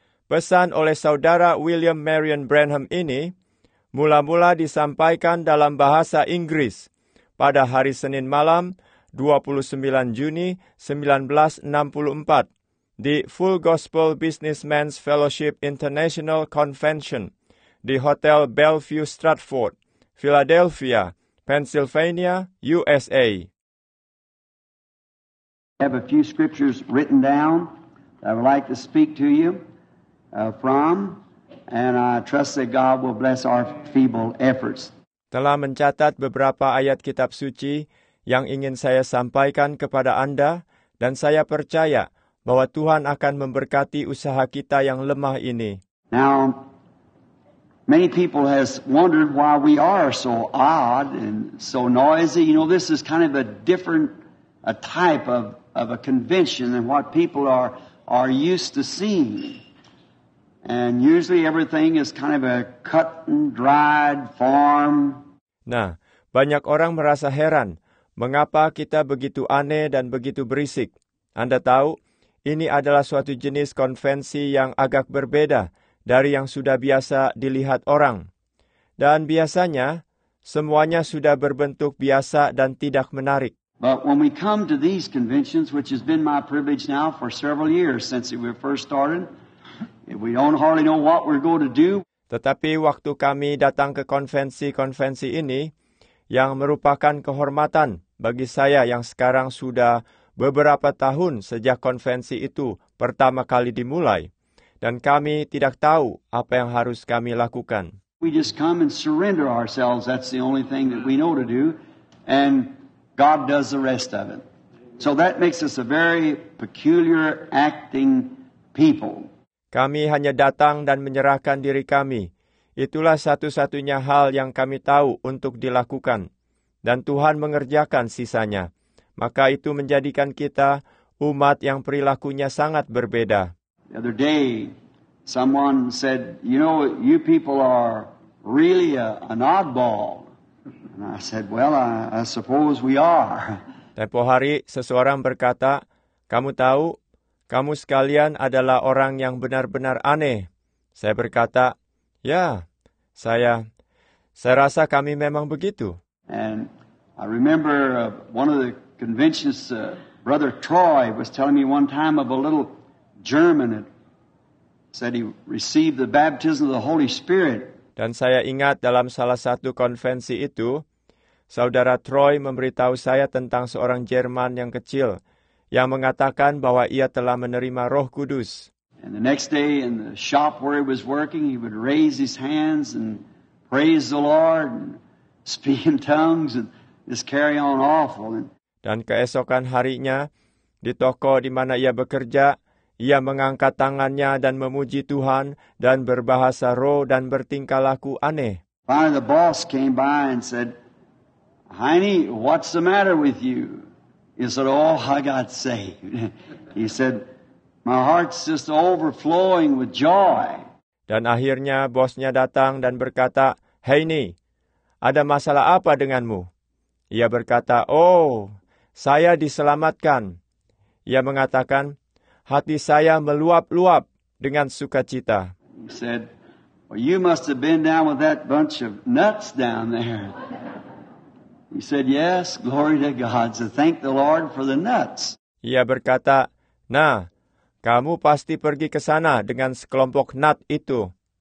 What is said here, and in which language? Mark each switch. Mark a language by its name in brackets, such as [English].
[Indonesian] Pesan oleh Saudara William Marion Branham ini mula-mula disampaikan dalam bahasa Inggris pada hari Senin malam 29 Juni 1964 di Full Gospel Businessmen's Fellowship International Convention di Hotel Bellevue Stratford, Philadelphia, Pennsylvania, USA. [English] I have a few scriptures written down that I would like to speak to you from, and I trust that God will bless our feeble efforts. [Indonesian] Telah mencatat beberapa ayat kitab suci yang ingin saya sampaikan kepada Anda, dan saya percaya bahwa Tuhan akan memberkati usaha kita yang lemah ini. [English] Now, many people has wondered why we are so odd and so noisy. You know, this is kind of a different type of a convention than what people are used to seeing. And usually everything is kind of a cut and dried form. [Indonesian] Nah, banyak orang merasa heran mengapa kita begitu aneh dan begitu berisik. Anda tahu, ini adalah suatu jenis konvensi yang agak berbeda dari yang sudah biasa dilihat orang. Dan biasanya, semuanya sudah berbentuk biasa dan tidak menarik. [English] But when we come to these conventions, which has been my privilege now for several years since we first started, we don't hardly know what we're going to do. [Indonesian] Tetapi waktu kami datang ke konvensi-konvensi ini, yang merupakan kehormatan bagi saya yang sekarang sudah beberapa tahun sejak konvensi itu pertama kali dimulai, dan kami tidak tahu apa yang harus kami lakukan. [English] We just come and surrender ourselves. That's the only thing that we know to do. And God does the rest of it. So that makes us a very peculiar acting people. [Indonesian] Kami hanya datang dan menyerahkan diri kami. Itulah satu-satunya hal yang kami tahu untuk dilakukan. Dan Tuhan mengerjakan sisanya. Maka itu menjadikan kita umat yang perilakunya sangat berbeda. [English] The other day, someone said, "You know, you people are really an oddball." And I said, "Well, I suppose we are." [Indonesian] Tempo hari, seseorang berkata, "Kamu tahu, kamu sekalian adalah orang yang benar-benar aneh." Saya berkata, "Ya, saya rasa kami memang begitu." [English] And I remember one of the conventions, Brother Troy was telling me one time of a little German that said he received the baptism of the Holy Spirit. [Indonesian] Dan saya ingat dalam salah satu konvensi itu, Saudara Troy memberitahu saya tentang seorang Jerman yang kecil yang mengatakan bahwa ia telah menerima Roh Kudus. [English] And the next day in the shop where he was working, he would raise his hands and praise the Lord and speak in tongues and just carry on awful. [Indonesian] Dan keesokan harinya, di toko di mana ia bekerja, ia mengangkat tangannya dan memuji Tuhan dan berbahasa roh dan bertingkah laku aneh. [English] Finally, the boss came by and said, "Heine, what's the matter with you?" He said, "Oh, I got saved." He said, "My heart's just overflowing with joy." [Indonesian] Dan akhirnya bosnya datang dan berkata, "Heine, ada masalah apa denganmu?" Ia berkata, "Oh, saya diselamatkan." Ia mengatakan, "Hati saya meluap-luap dengan sukacita." [English] He said, "Well, you must have been down with that bunch of nuts down there." He said, "Yes, glory to God. So thank the Lord for the nuts." [Indonesian] Ia berkata, "Nah, kamu pasti pergi ke sana dengan sekelompok nut itu."